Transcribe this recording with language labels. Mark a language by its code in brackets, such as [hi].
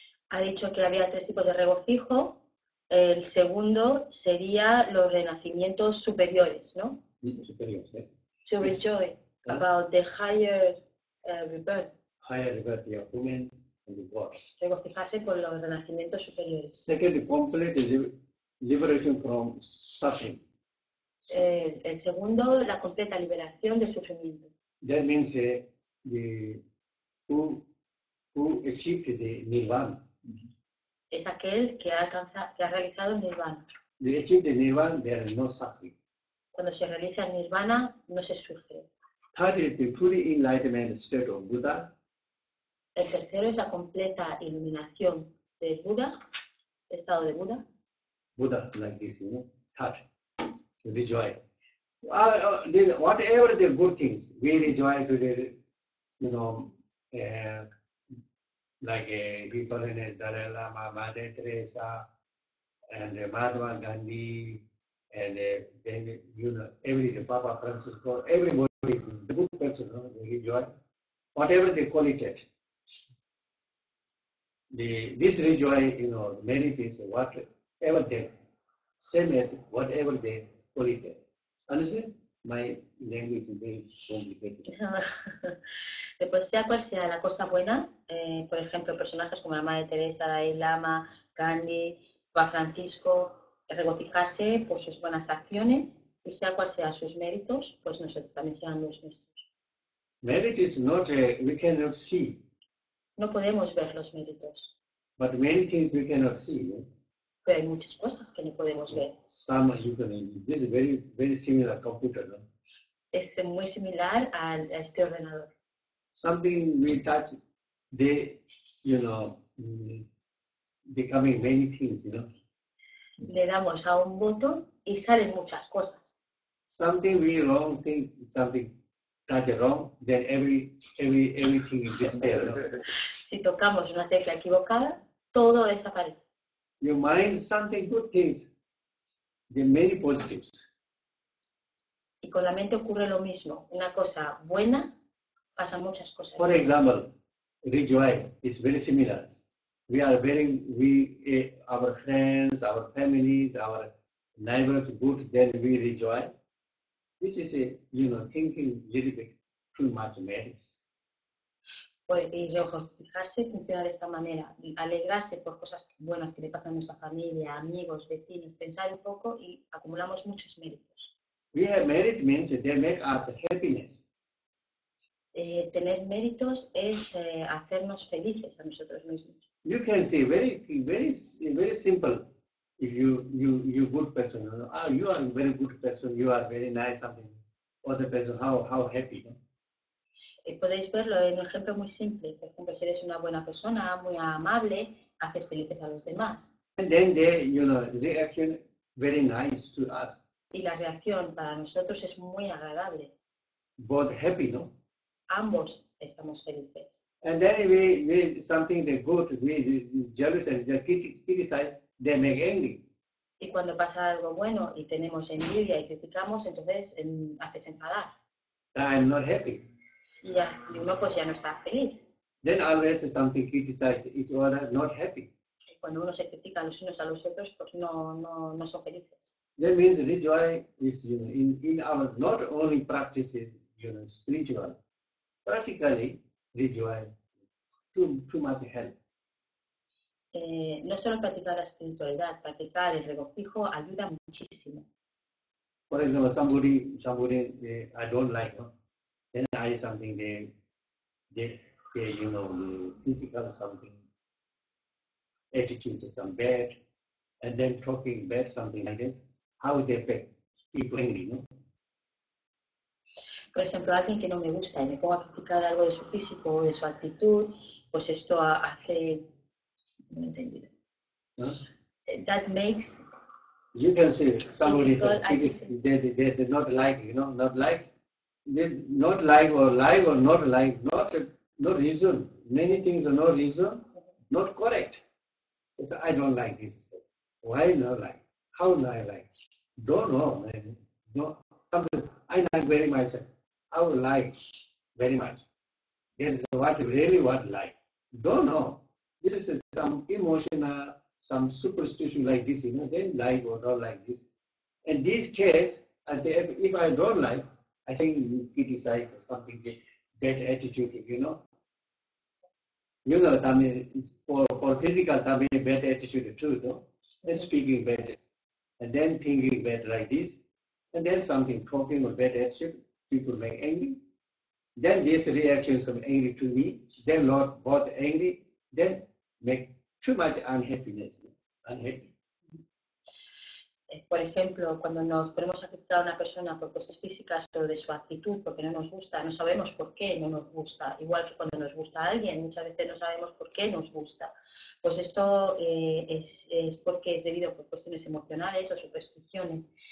[es] Ha dicho que había tres tipos de regocijo. El segundo sería los renacimientos superiores, ¿no? Superiores. [en] To rejoice about the highest rebirth. Higher rebirth, yeah, human and the gods. [es] Regocijarse con los renacimientos superiores. [en] Second, complete liberation from suffering. [es] El segundo, la completa liberación del sufrimiento. [en] That means who achieved the nirvana. [es] Es aquel que ha realizado el nirvana. [en] The achieved the nirvana, there is no suffering. [es] Cuando se realiza el nirvana, no se sufre. [en] Third is the fully enlightened state of Buddha. [es] El tercero es la completa iluminación del Buda, estado de Buda. [en] Buddha, like this, you know, third. Rejoice. Whatever the good things, we rejoice with the, you know, [es] La que hizo en el [en] Dalai Lama, Madre Teresa, and the Mahatma Gandhi, and the, you know, every the Papa Francisco, everybody, the good person, religion, whatever they call it. This religion, you know, merit is whatever they, same as whatever they call it. Understand? My language is very complicated. [es] Pues sea cual sea la cosa buena, por ejemplo, personajes como la Madre Teresa, Dalai Lama, Gandhi, Papa Francisco, regocijarse por sus buenas acciones, y sea cual sea sus méritos, pues nosotros también serán los nuestros. [en] Merit is not, we cannot see. [es] No podemos ver los méritos. [en] But many things we cannot see. Yeah? [es] Pero hay muchas cosas que no podemos ver. [en] Some you can, this is very, very similar computer, no? [es] Es muy similar a este ordenador. [en] Something we touch, they, you know, becoming many things, you know. [es] Le damos a un botón y salen muchas cosas. [en] Something we wrong thing, something touch wrong, then everything is disappear, no? [es] Si tocamos una tecla equivocada, todo desaparece. [en] You mind something good things, the many positives. [es] Y con la mente ocurre lo mismo. Una cosa buena, pasa muchas cosas. [en] For example, rejoice is very similar. We are very, our friends, our families, our neighbors good, then we rejoice. This is a, you know, thinking a little bit too much merits. [es] Y regocijarse funciona de esta manera, alegrarse por cosas buenas que le pasan a nuestra familia, amigos, vecinos, pensar un poco y acumulamos muchos méritos. [en] We have merit means they make us happiness. [es] Tener méritos es hacernos felices a nosotros mismos. [en] You can see very, very, very simple. If you good person, you know? You are a very good person, you are very nice, something. Other person, how happy. You know? [es] Podéis verlo en un ejemplo muy simple. Por ejemplo, si eres una buena persona, muy amable, haces felices a los demás. [en] And then they, you know, reaction very nice to us. [es] Y la reacción para nosotros es muy agradable. [en] Both happy, no? [es] Ambos estamos felices. [en] And then we something they go to be jealous and they criticize, they make angry. [es] Y cuando pasa algo bueno y tenemos envidia y criticamos, entonces haces enfadar. [en] I'm not happy. [es] Ya, y uno pues ya no está feliz. [en] Then always something criticizes each other, not happy. [es] Y cuando uno se critica los unos a los otros, pues no son felices. [en] That means rejoice is, you know, in our not only practices, you know, spiritual, practically rejoice too much help. [es] No solo practicar la espiritualidad, practicar el regocijo ayuda muchísimo. Por ejemplo, [en] somebody I don't like, no? Then I have something they, you know, physical something, attitude to some bad, and then talking bad something like this, how they affect people angry, no? [es] Por ejemplo, alguien que no me gusta y me pongo a criticar algo de su físico o de su actitud, pues esto hace, no me he entendido. [en] No? That makes. You can see somebody they not like, you know, not like. Not like or like or not like, no reason. Many things are no reason, not correct. So I don't like this. Why not like? How do I like? Don't know. Man. No, something I like very myself. I would like very much. That's what really what like. Don't know. This is some emotional, some superstition like this, you know, then like or not like this. In this case, if I don't like, I think you criticize something, bad attitude, you know. You know, [es] también, [en] for physical, también bad attitude too, no? And speaking bad, and then thinking bad like this, and then something talking or bad attitude, people make angry. Then this reaction, some angry to me, then Lord got angry, then make too much unhappiness, unhappy. [es] Por ejemplo, cuando nos ponemos a criticar a una persona por cosas físicas o de su actitud, porque no nos gusta, no sabemos por qué no nos gusta. Igual que cuando nos gusta a alguien, muchas veces no sabemos por qué nos gusta. Pues esto es porque es debido por cuestiones emocionales o supersticiones.